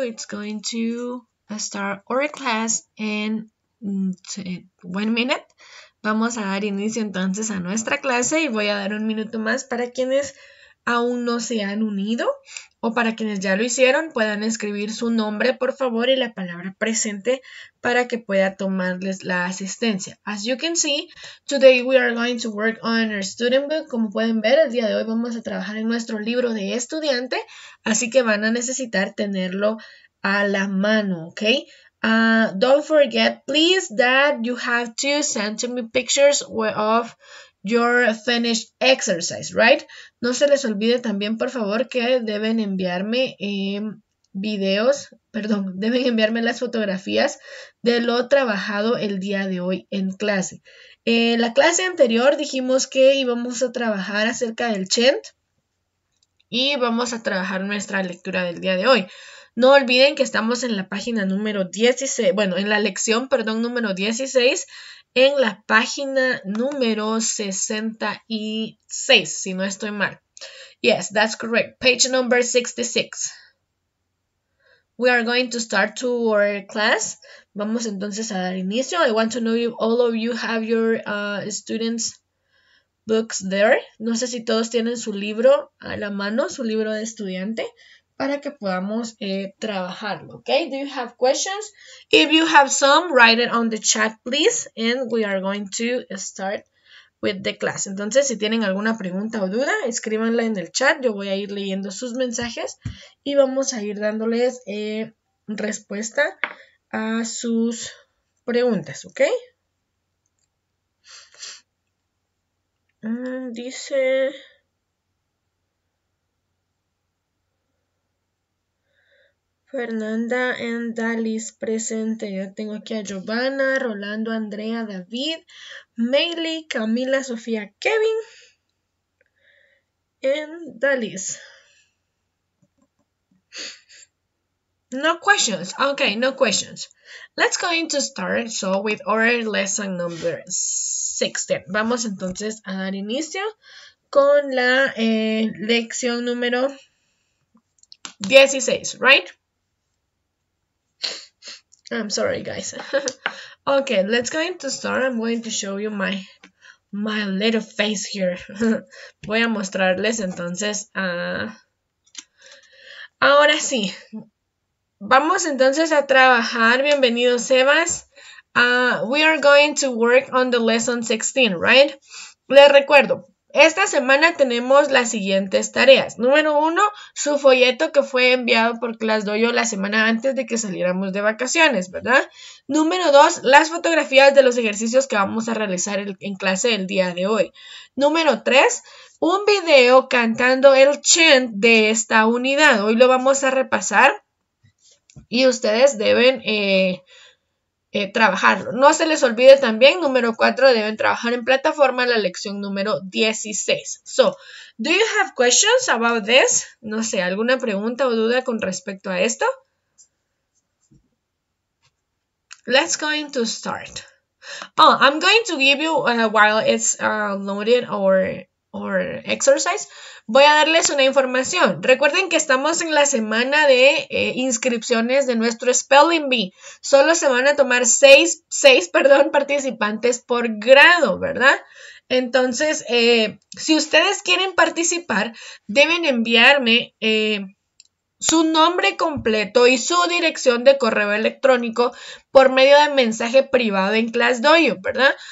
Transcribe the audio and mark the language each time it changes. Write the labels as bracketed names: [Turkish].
[English] It's going to start our class in 1 minute. [Spanish] Vamos a dar inicio entonces a nuestra clase y voy a dar un minuto más para quienes aún no se han unido o para quienes ya lo hicieron, puedan escribir su nombre, por favor, y la palabra presente para que pueda tomarles la asistencia. [English] As you can see, today we are going to work on our student book. [Spanish] Como pueden ver, el día de hoy vamos a trabajar en nuestro libro de estudiante, así que van a necesitar tenerlo a la mano, ¿ok? [English] Don't forget, please, that you have to send to me pictures of your finished exercise, right? [Spanish] No se les olvide también, por favor, que deben enviarme deben enviarme las fotografías de lo trabajado el día de hoy en clase. En la clase anterior dijimos que íbamos a trabajar acerca del chant y vamos a trabajar nuestra lectura del día de hoy. No olviden que estamos en la página número 16, bueno, en la lección, perdón, número 16, en la página número 66, si no estoy mal. [English] Yes, that's correct. Page number 66. We are going to start to our class. [Spanish] Vamos entonces a dar inicio. [English] I want to know if all of you have your students' books there. [Spanish] No sé si todos tienen su libro a la mano, su libro de estudiante, para que podamos trabajarlo, okay? [English] Do you have questions? If you have some, write it on the chat, please, and we are going to start with the class. [Spanish] Entonces, si tienen alguna pregunta o duda, escríbanla en el chat. Yo voy a ir leyendo sus mensajes y vamos a ir dándoles respuesta a sus preguntas, okay? Dice... Fernanda and Dalis presente. Ya tengo aquí a Giovanna, Rolando, Andrea, David, Meili, Camila, Sofía, Kevin and Dalis. [English] No questions. Okay, no questions. Let's going to start so with our lesson number 16. [Spanish] Vamos entonces a dar inicio con la lección número 16, right? [English] I'm sorry, guys. Okay, let's go into start. I'm going to show you my little face here. [Spanish] Voy a mostrarles entonces. Ahora sí. Vamos entonces a trabajar. Bienvenido, Sebas. [English] We are going to work on the lesson 16, right? [Spanish] Les recuerdo. Esta semana tenemos las siguientes tareas. Número uno, su folleto que fue enviado por ClassDojo la semana antes de que saliéramos de vacaciones, ¿verdad? Número dos, las fotografías de los ejercicios que vamos a realizar en clase el día de hoy. Número tres, un video cantando el chant de esta unidad. Hoy lo vamos a repasar y ustedes deben... trabajarlo. No se les olvide también, número 4, deben trabajar en plataforma la lección número 16. [English] So, do you have questions about this? [Spanish] No sé, ¿alguna pregunta o duda con respecto a esto? [English] Let's going to start. Oh, I'm going to give you while it's loaded or exercise. [Spanish] Voy a darles una información. Recuerden que estamos en la semana de inscripciones de nuestro Spelling Bee. Solo se van a tomar seis participantes por grado, ¿verdad? Entonces, si ustedes quieren participar, deben enviarme su nombre completo y su dirección de correo electrónico por medio de mensaje privado en ClassDojo, ¿verdad?